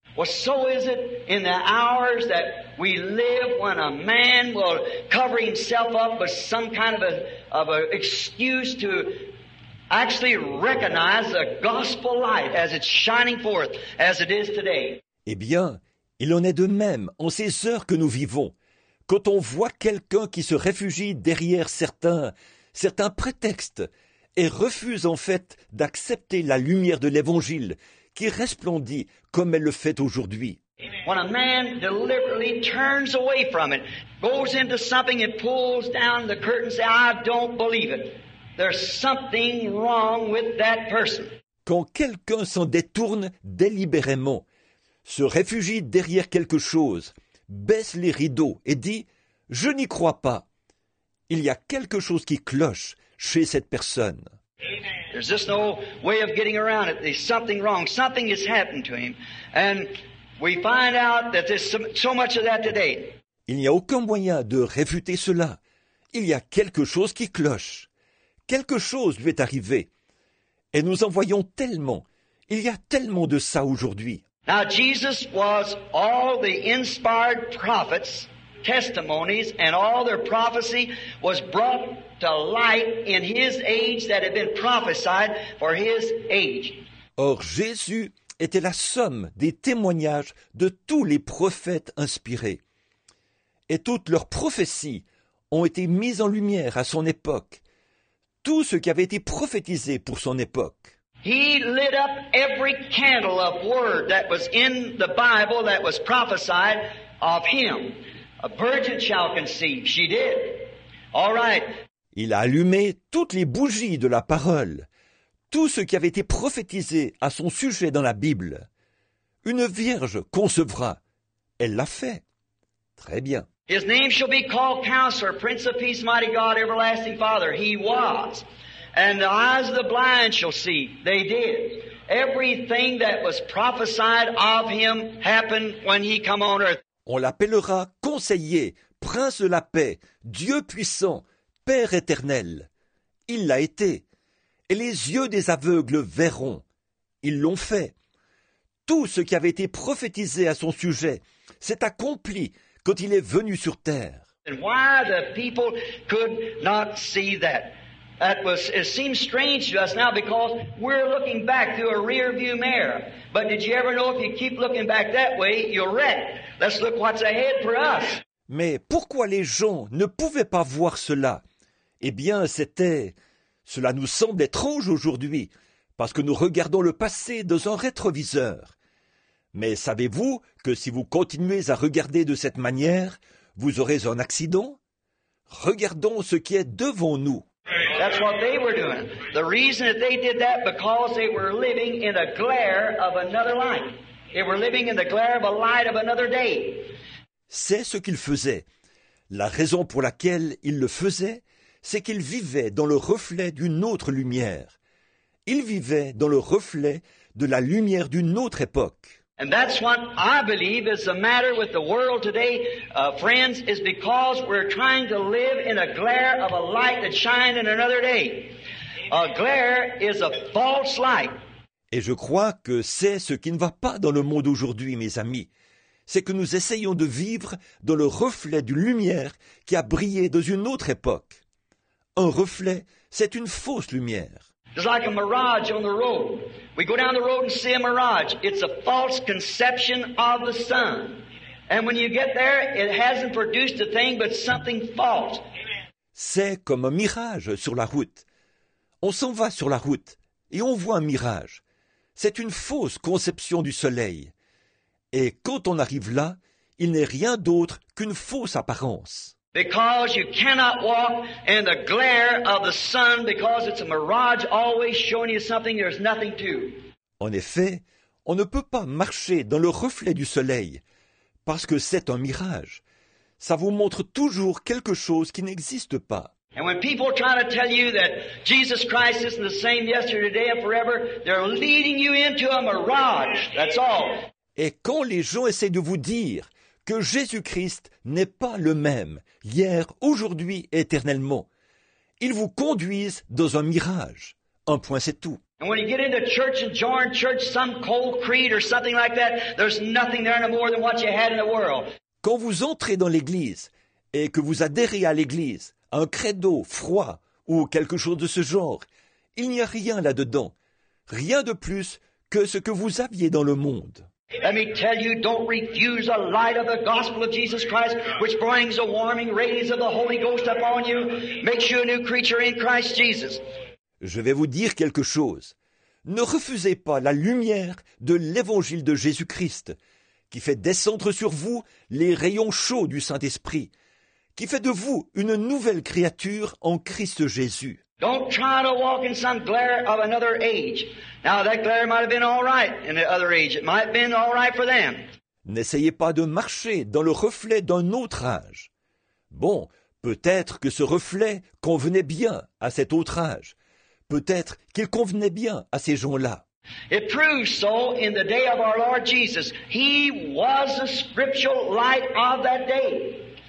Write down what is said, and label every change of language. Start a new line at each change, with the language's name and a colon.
English: Well, so is it in the hours that we live when a man will cover himself up with some kind of a excuse to actually recognize the gospel light as it's shining forth as it is today.
French: Eh bien, il en est de même en ces heures que nous vivons. Quand on voit quelqu'un qui se réfugie derrière certains prétextes et refuse en fait d'accepter la lumière de l'Évangile qui resplendit comme elle le fait aujourd'hui.
English: When a man deliberately turns away from it, goes into something and pulls down the curtain and says, I don't believe it. There's something wrong with that person.
French: Quand quelqu'un s'en détourne délibérément, se réfugie derrière quelque chose, baisse les rideaux et dit « Je n'y crois pas ». Il y a quelque chose qui cloche chez cette personne.
English: There's just no way of getting around it. There's something wrong. Something has happened to him. And we find out that there's so much of that today.
French: Il n'y a aucun moyen de réfuter cela. Il y a quelque chose qui cloche. Quelque chose lui est arrivé. Et nous en voyons tellement. Il y a tellement de ça aujourd'hui.
English: Now Jesus was all the inspired prophets' testimonies and all their prophecy was brought to light in his age that had been prophesied for his age.
French: Or Jésus était la somme des témoignages de tous les prophètes inspirés. Et toutes leurs prophéties ont été mises en lumière à son époque. Tout ce qui avait été prophétisé pour son époque.
English: He lit up every candle of word that was in the Bible that was prophesied of him. A virgin shall conceive. She did. All right.
French: Il a allumé toutes les bougies de la parole, tout ce qui avait été prophétisé à son sujet dans la Bible. Une vierge concevra. Elle l'a fait. Très bien.
English: His name shall be called Counselor, Prince of Peace, Mighty God, Everlasting Father. He was. And the eyes of the blind shall see. They did. Everything that was prophesied of him happened when he came on earth.
French: On l'appellera Conseiller, Prince de la Paix, Dieu Puissant, Père Éternel. Il l'a été. Et les yeux des aveugles verront. Ils l'ont fait. Tout ce qui avait été prophétisé à son sujet s'est accompli quand il est venu sur terre.
English: And why the people could not see that? It seems strange to us now because we're looking back through a rear-view mirror. But did you ever know if you keep looking back that way, you'll wreck? Let's look what's ahead for us.
French: Mais pourquoi les gens ne pouvaient pas voir cela? Eh bien, cela nous semble étrange aujourd'hui, parce que nous regardons le passé dans un rétroviseur. Mais savez-vous que si vous continuez à regarder de cette manière, vous aurez un accident? Regardons ce qui est devant nous.
English: That's what they were doing. The reason that they did that because they were living in the glare of another light. They were living in the glare of a light of another day.
French: C'est ce qu'ils faisaient. La raison pour laquelle ils le faisaient, c'est qu'ils vivaient dans le reflet d'une autre lumière. Ils vivaient dans le reflet de la lumière d'une autre époque.
English: And that's what I believe is the matter with the world today, friends, is because we're trying to live in a glare of a light that shined in another day. A glare is a false light.
French: Et je crois que c'est ce qui ne va pas dans le monde aujourd'hui, mes amis. C'est que nous essayons de vivre dans le reflet d'une lumière qui a brillé dans une autre époque. Un reflet, c'est une fausse lumière.
English: It's like a mirage on the road. We go down the road and see a mirage. It's a false conception of the sun. And when you get there, it hasn't produced a thing but something false.
French: C'est comme un mirage sur la route. On s'en va sur la route et on voit un mirage. C'est une fausse conception du soleil. Et quand on arrive là, il n'est rien d'autre qu'une fausse apparence.
English: Because you cannot walk in the glare of the sun because it's a mirage always showing you something there's nothing to.
French: En effet, on ne peut pas marcher dans le reflet du soleil parce que c'est un mirage. Ça vous montre toujours quelque chose qui n'existe pas.
English: And when people try to tell you that Jesus Christ isn't the same yesterday, today and forever, they're leading you into a mirage. That's all.
French: Et quand les gens essaient de vous dire que Jésus-Christ n'est pas le même, hier, aujourd'hui, éternellement. Ils vous conduisent dans un mirage. Un point, c'est tout.
English: And when you get into church and join church, some cold creed or something like that, there's nothing there no more than what you had in the world.
French: Quand vous entrez dans l'église et que vous adhérez à l'église, un credo froid ou quelque chose de ce genre, il n'y a rien là-dedans. Rien de plus que ce que vous aviez dans le monde.
English: Let me tell you, don't refuse the light of the gospel of Jesus Christ, which brings a warming radiance of the Holy Ghost upon you, makes you a new creature in Christ Jesus.
French: Je vais vous dire quelque chose. Ne refusez pas la lumière de l'évangile de Jésus-Christ, qui fait descendre sur vous les rayons chauds du Saint-Esprit, qui fait de vous une nouvelle créature en Christ Jésus.
English: Don't try to walk in some glare of another age. Now that glare might have been all right in the other age. It might have been all right for them.
French: N'essayez pas de marcher dans le reflet d'un autre âge. Bon, peut-être que ce reflet convenait bien à cet autre âge. Peut-être qu'il convenait bien à ces gens-là.
English: It proves so in the day of our Lord Jesus. He was the scriptural light of that day.